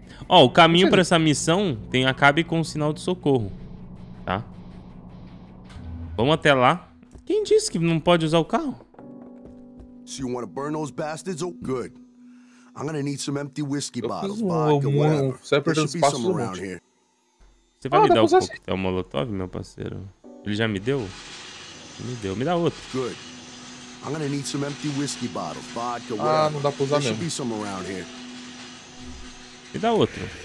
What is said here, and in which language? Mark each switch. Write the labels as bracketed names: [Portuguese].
[Portuguese] Ó, o caminho pra essa missão tem acabe com o sinal de socorro. Tá? Vamos até lá. Quem disse que não pode usar o carro? Se você quer queimar esses bastardos, ou bom. [English] I'm gonna need some empty whiskey bottles, vodka, whatever. [Portuguese] Você vai me dar o coquetel Molotov, meu parceiro? Ele já me deu? Me deu. Me dá outro. [English] Good. I'm gonna need some empty whiskey bottles, vodka, whatever. [Portuguese] Ah, não dá pra usar mesmo. [English] There should be some around here. [Portuguese] Me dá outro.